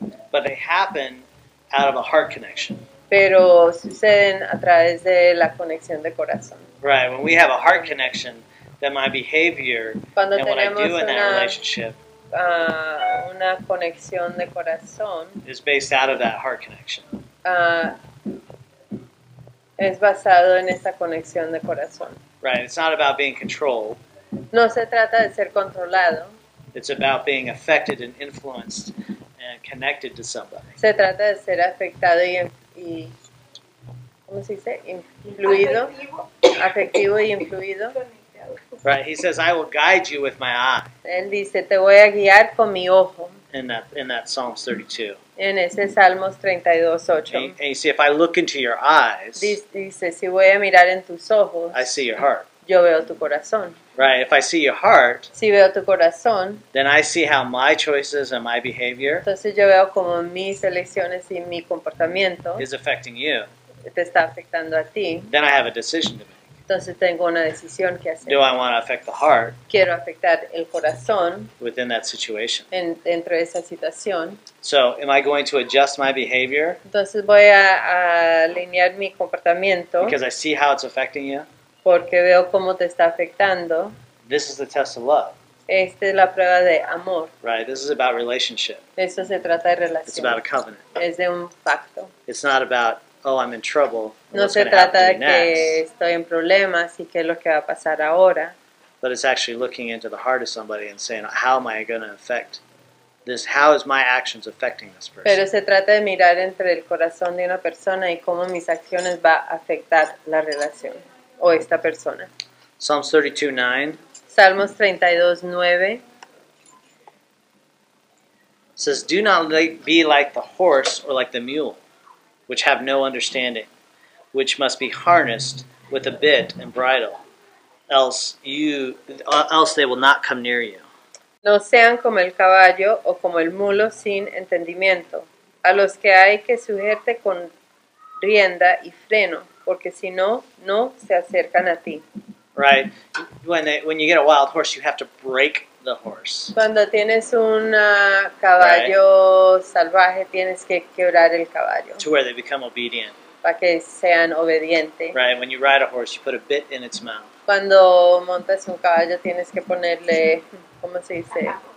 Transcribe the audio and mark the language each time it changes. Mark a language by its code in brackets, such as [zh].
[en] But they happen out of a heart connection. [es] Pero suceden a través de la conexión de corazón. [en] Right. When we have a heart connection, then my behavior [es] cuando [en] and what I do [es] una, [en] in that relationship [es] una conexión de corazón, [en] is based out of that heart connection. [es] Es basado en esta conexión de corazón. [en] Right, it's not about being controlled. [es] No se trata de ser controlado. [en] It's about being affected and influenced and connected to somebody. [es] Se trata de ser afectado y ¿cómo se dice? Influido. Afectivo y influido. [en] Right, he says, I will guide you with my eye. [es] Él dice, te voy a guiar con mi ojo. [en] In that Psalms 32. [es] En ese Salmos 32:8. [en] And you see, if I look into your eyes, [es] dice, si voy a mirar en tus ojos, [en] I see your heart. [es] Yo veo tu corazón. [en] Right, if I see your heart, [es] si veo tu corazón, [en] then I see how my choices and my behavior, [es] entonces yo veo como mis elecciones y mi comportamiento, [en] is affecting you. [es] Te está afectando a ti. [en] Then I have a decision to make. [es] Entonces tengo una decisión que hacer. [en] Do I want to affect the heart? [es] Quiero afectar el corazón. [en] Within that situation. [es] Dentro de esa situación. [en] So, am I going to adjust my behavior? [es] Entonces voy a alinear mi comportamiento. [en] Because I see how it's affecting you. [es] Porque veo cómo te está afectando. [en] This is the test of love. [es] Esta es la prueba de amor. [en] Right, this is about relationship. [es] Esto se trata de relación. [en] It's about a covenant. [es] Es de un pacto. [en] It's not about, oh, I'm in trouble. [es] No se trata de que estoy en problemas y qué es lo que va a pasar ahora. [en] But it's actually looking into the heart of somebody and saying, how am I going to affect this? How is my actions affecting this person? [es] Pero se trata de mirar entre el corazón de una persona y cómo mis acciones va a afectar la relación o esta persona. [en] Psalms 32:9. [es] Salmos 32:9. [en] Says, do not be like the horse or like the mule, which have no understanding, which must be harnessed with a bit and bridle, else they will not come near you. [es] No sean como el caballo o como el mulo sin entendimiento, a los que hay que sujetarte con rienda y freno, porque si no, no se acercan a ti. [en] Right. When you get a wild horse, you have to break the horse. [es] Cuando tienes un caballo [en] right. [es] salvaje, tienes que quebrar el caballo. [en] To where they become obedient. [es] Para que sean obedientes. [en] Right. When you ride a horse, you put a bit in its mouth. [es] Cuando montas un caballo, tienes que ponerle, ¿cómo se dice?